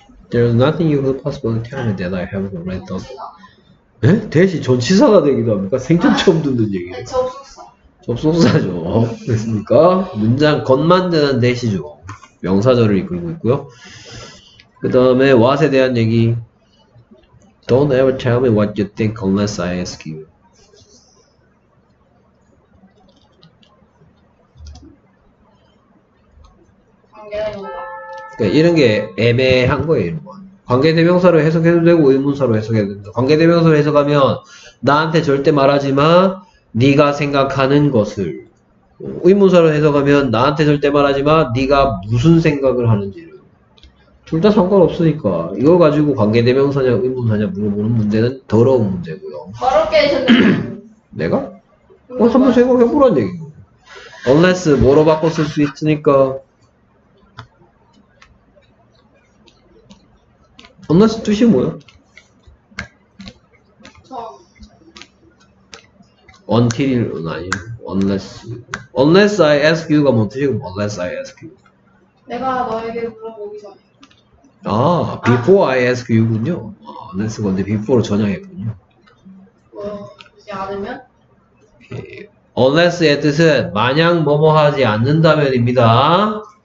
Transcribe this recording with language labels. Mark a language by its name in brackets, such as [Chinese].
[English] There's nothing you could possibly tell me that I haven't read those. [Korean] 에? 대시 전치사가 되기도 합니까? 생전 처음 듣는 얘기. 접속사. 접속사죠. 됐습니까? 문장 겉만 되는 대시죠. 명사절을 이끌고 있고요. 그 다음에 what에 대한 얘기. [English] Don't ever tell me what you think unless I ask you. [Korean] 그러니까 이런 게 애매한 거예요, 이런 건. 관계 대명사로 해석해도 되고 의문사로 해석해도 된다. 관계 대명사로 해석하면 나한테 절대 말하지 마. 네가 생각하는 것을. 의문사로 해석하면 나한테 절대 말하지 마. 네가 무슨 생각을 하는지를. 둘 다 상관없으니까. 이거 가지고 관계 대명사냐 의문사냐 물어보는 문제는 더러운 문제고요. 더럽게 하셨네. 내가? 한번 생각해 보란 얘기고. Unless 뭐로 바꿔 쓸 수 있으니까. Unless 뜻이 뭐야? 처음. Until은 아니야. Unless. [English] Unless I ask you가 [Korean] 뭔 뜻이고, [English] unless I ask you. [Korean] 내가 너에게 물어보기 전에. 아, before 아. [English] I ask you [Korean] 군요. 아, unless 건데, before 전향했군요. 뭐, 이제 안으면? Unless의 뜻은, 만약 뭐뭐 하지 않는다면입니다.